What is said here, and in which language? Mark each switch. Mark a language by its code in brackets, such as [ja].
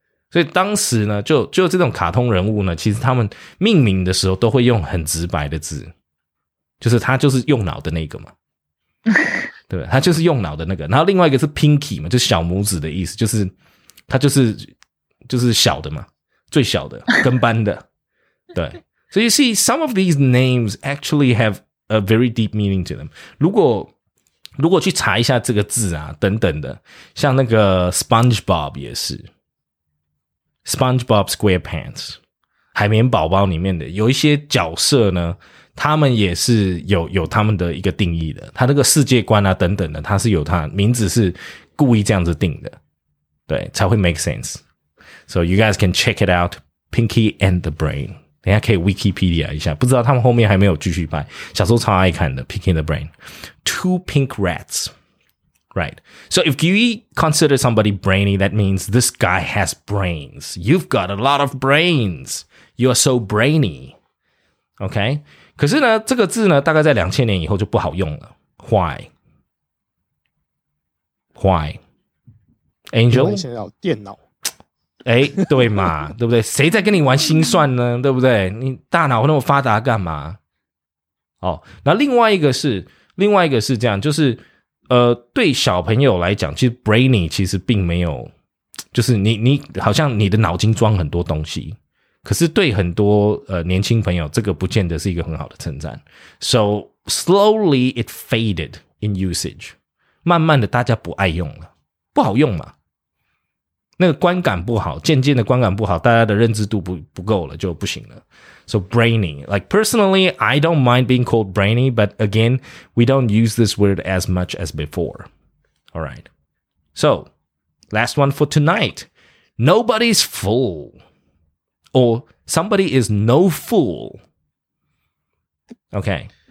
[zh] 所以当时呢，就这种卡通人物呢，其实他们命名的时候都会用很直白的字，就是他就是用脑的那个嘛。对，他就是用脑的那个。然后另外一个是 Pinky 嘛，就是小拇指的意思，就是。他就是小的嘛，最小的跟班的，对。 [en] So you see, some of these names actually have a very deep meaning to them. [zh] 如果去查一下这个字啊，等等的，像那个 SpongeBob 也是 SpongeBob SquarePants， 海绵宝宝里面的有一些角色呢，他们也是有他们的一个定义的。他那个世界观啊等等的，他是有他名字是故意这样子定的。对，才会 [en] make sense. So you guys can check it out, Pinky and the Brain. [zh] 等一下可以 Wikipedia 一下，不知道他们后面还没有继续拍。小时候超爱看的 Pinky and the Brain, [en] two pink rats, right? So if you consider somebody brainy, that means this guy has brains. You've got a lot of brains. You are so brainy. Okay. [zh] 可是呢，这个字呢，大概在2000年以后就不好用了。 [en] Why? Why? Angel， [zh] 电脑，哎，对嘛，对不对？谁在跟你玩心算呢？对不对？你大脑那么发达干嘛？哦，那另外一个是这样，就是对小朋友来讲，其实 brainy 其实并没有，就是你好像你的脑筋装很多东西，可是对很多年轻朋友，这个不见得是一个很好的称赞。 [en] So slowly it faded in usage， [zh] 慢慢的大家不爱用了。不好用嘛，那个观感不好，渐渐的观感不好，大家的认知度不够了，就不行了。 [en] So brainy, like personally, I don't mind being called brainy, but again, we don't use this word as much as before. All right. So, last one for tonight. Nobody's fool, or somebody is no fool. Okay.